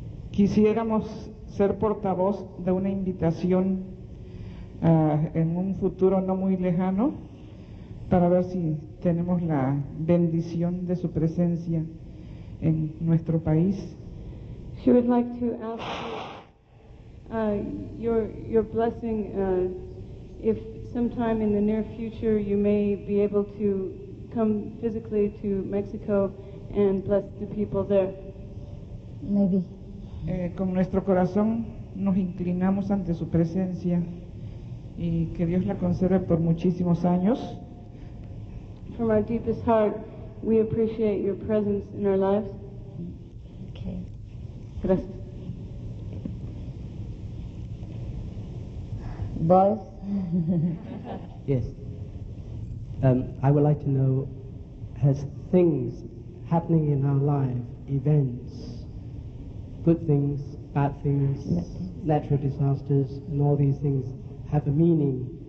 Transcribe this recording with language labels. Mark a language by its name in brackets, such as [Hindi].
[Spanish] Quisiéramos ser portavoz de una invitación en un futuro no muy lejano para ver si tenemos la bendición de su presencia en nuestro país. [English] She would like to ask your blessing if sometime in the near future you may be able to come physically to Mexico and bless the people there. Maybe. [Spanish] Con nuestro corazón nos inclinamos ante su presencia y que Dios la conserve por muchísimos años. [English] From our deepest heart, we appreciate your presence in our lives. Okay. [Spanish] Gracias. [English] Boys? Yes. I would like to know, has things happening in our life, events, good things, bad things, natural disasters, and all these things have a meaning?